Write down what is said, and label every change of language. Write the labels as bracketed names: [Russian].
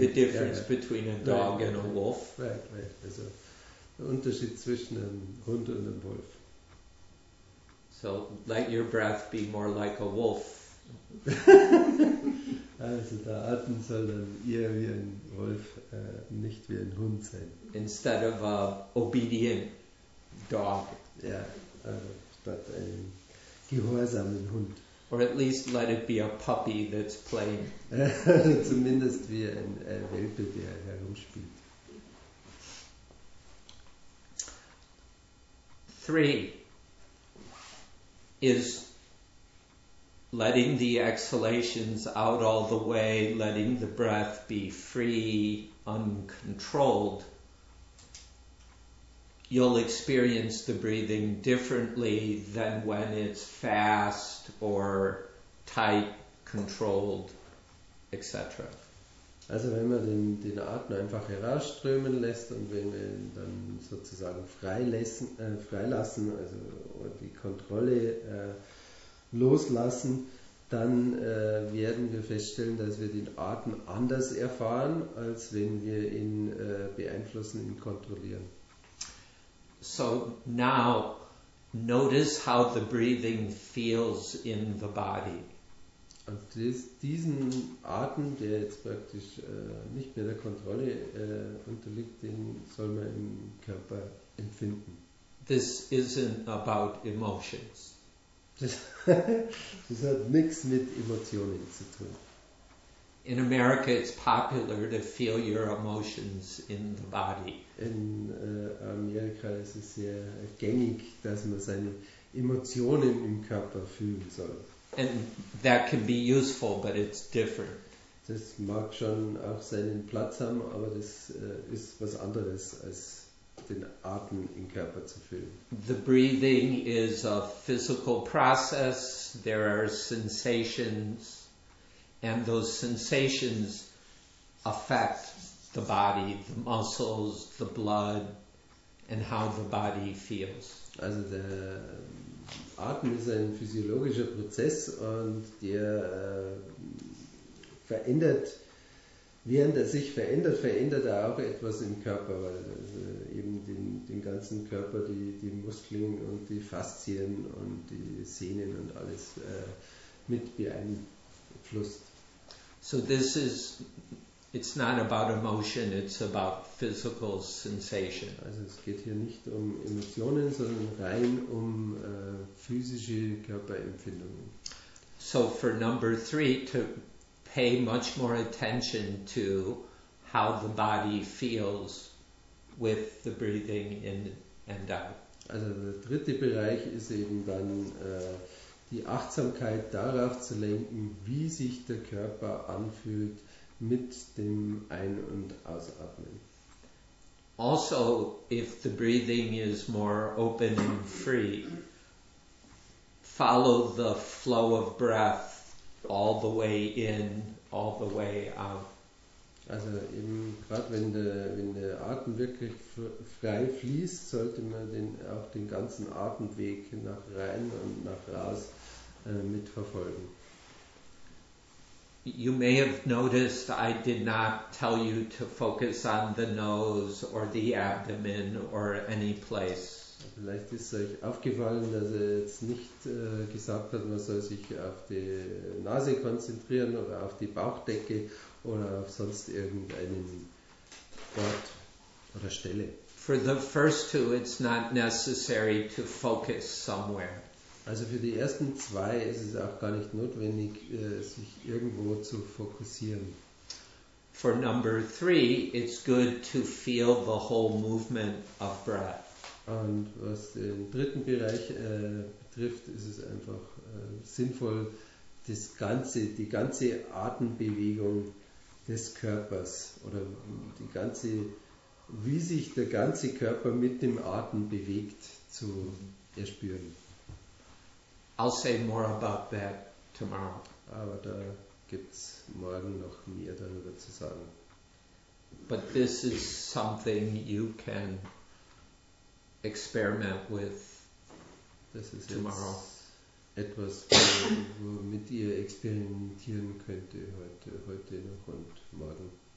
[English] The difference between a dog and a wolf. Right. [German] Also der Unterschied zwischen einem Hund und einem Wolf. [English] So let your breath be more like a wolf. [German] Also der Atem soll dann eher wie ein Wolf, nicht wie ein Hund sein. [English] Instead of a obedient dog. [German] Ja, also statt einem gehorsamen Hund. [English] Or at least let it be a puppy that's playing. [German] Zumindest wie ein Welpe, der herumspielt. [English] Three is letting the exhalations out all the way, letting the breath be free, uncontrolled. You'll experience the breathing differently than when it's fast or tight, controlled, etc. [German] Also wenn man den Atem einfach herausströmen lässt und wenn wir ihn dann sozusagen freilassen, also die Kontrolle loslassen, dann werden wir feststellen, dass wir den Atem anders erfahren, als wenn wir ihn beeinflussen, ihn kontrollieren. [English] So now, notice how the breathing feels in the body. [German] Und diesen Atem, der jetzt praktisch nicht mehr der Kontrolle unterliegt, den soll man im Körper empfinden. [English] This isn't about emotions. [German] Das hat nichts mit Emotionen zu tun. [English] In America, it's popular to feel your emotions in the body. [German] In Amerika ist es sehr gängig, dass man seine Emotionen im Körper fühlen soll. [English] And that can be useful, but it's different. [German] Das mag schon auch seinen Platz haben, aber das ist was anderes, als den Atem im Körper zu fühlen. [English] The breathing is a physical process. There are sensations. And those sensations affect the body, the muscles, the blood, and how the body feels. [German] Also der Atem ist ein physiologischer Prozess und der verändert, während er sich verändert, verändert er auch etwas im Körper, weil also eben den ganzen Körper, die Muskeln und die Faszien und die Sehnen und alles mit beeinflusst. [English] So this is, it's not about emotion, it's about physical sensation. [German] Also es geht hier nicht um Emotionen, sondern rein um physische Körperempfindungen. [English] So for number three, to pay much more attention to how the body feels with the breathing in and out. [German] Also der dritte Bereich ist eben dann die Achtsamkeit darauf zu lenken, wie sich der Körper anfühlt mit dem Ein- und Ausatmen. [English] Also, if the breathing is more open and free, follow the flow of breath all the way in, all the way out. [German] Also eben gerade wenn der Atem wirklich frei fließt, sollte man auch den ganzen Atemweg nach rein und nach raus mitverfolgen. [English] You may have noticed I did not tell you to focus on the nose or the abdomen or any place. [German] Vielleicht ist euch aufgefallen, dass er jetzt nicht gesagt hat, man soll sich auf die Nase konzentrieren oder auf die Bauchdecke oder auf sonst irgendeinen Ort oder Stelle. [English] For the first two, it's not necessary to focus somewhere. [German] Also für die ersten zwei ist es auch gar nicht notwendig, sich irgendwo zu fokussieren. [English] For number three, it's good to feel the whole movement of breath. [German] Und was den dritten Bereich betrifft, ist es einfach sinnvoll, die ganze Atembewegung des Körpers oder die ganze, wie sich der ganze Körper mit dem Atem bewegt, zu erspüren. [English] I'll say more about that tomorrow. [German] Aber da gibt's morgen noch mehr darüber zu sagen. [English] But this is something you can experiment with [German] das ist [English] tomorrow. [German] Etwas, womit ihr experimentieren könnt heute noch und morgen.